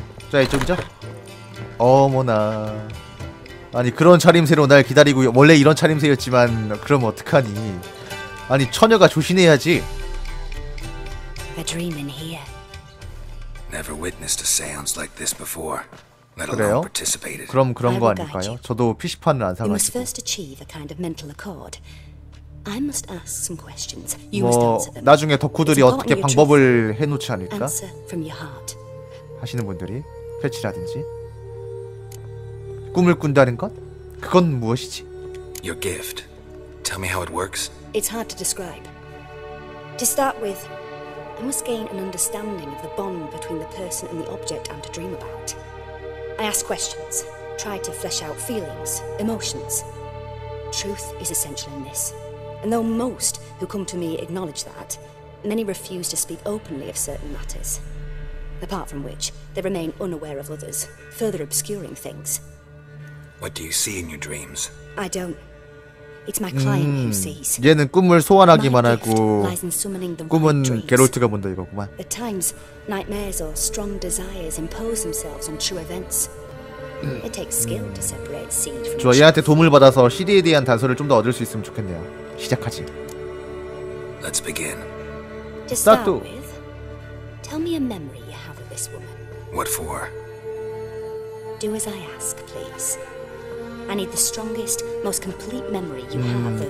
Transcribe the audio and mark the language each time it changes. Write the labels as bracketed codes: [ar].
[ko] 자 이쪽이죠? 어머나 아니 그런 차림새로 날 기다리고 원래 이런 차림새였지만 그럼 어떡하니. 아니 처녀가 조심해야지. [en] A dream in here. Never witnessed a séance like this before. Let alone participated. [ko] 그럼 그런 거 아닐까요? 저도 PC판을 안 사가지고. [en] You must first achieve a kind of mental accord. I must ask some questions. You must answer them. [ko] 나중에 덕후들이 어떻게 방법을 해놓지 않을까? 하시는 분들이 패치라든지 꿈을 꾼다는 것? 그건 무엇이지? [en] Your gift. Tell me how it works. It's hard to describe. To start with, I must gain an understanding of the bond between the person and the object I'm to dream about. I ask questions, try to flesh out feelings, emotions. Truth is essential in this. And though most who come to me acknowledge that, many refuse to speak openly of certain matters. Apart from which, they remain unaware of others, further obscuring things. What do you see in your dreams? I don't. It's my client who sees. [ko] 얘는 꿈을 소환하기만 하고 꿈은 게롤트가 본다 이거구만. [en] At times, nightmares or strong desires impose themselves on true events. It takes skill to separate seed from. [ko] 좋아, 얘한테 도움을 받아서 시디에 대한 단서를 좀 더 얻을 수 있으면 좋겠네요. 시작하지. [en] Let's begin. To start with, tell me a memory you have of this woman. What for? Do as I ask, please. I need the strongest, most complete memory you have.